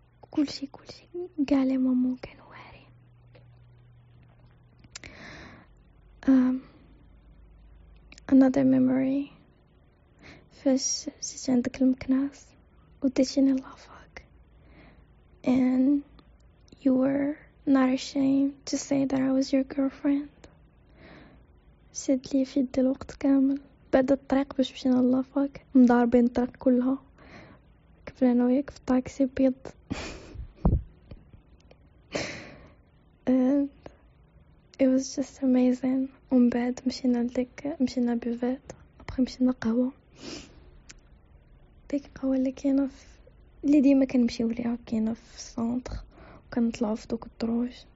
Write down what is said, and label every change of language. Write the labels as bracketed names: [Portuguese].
[Arabic] كل شي قالي ما ممكن واري. [English] Another memory. [Arabic] فاش جيت عندك المكناس وديتيني لافاك. [English] And you were not ashamed to say that I was your girlfriend. [Arabic] سد لي في يدي الوقت كامل بعد الطريق باش مشينا لافاك مضاربين الطريق كلها قبل انا وياك في الطاكسي بيض. [English] And it was just amazing. [Arabic] ومن بعد مشينا لديك مشينا بيفات ابخي مشينا قهوة ديك قهوة اللي كاينة اللي ديما كنمشيو ليها كاينة في السونتر وكنطلعو في دوك الدروج.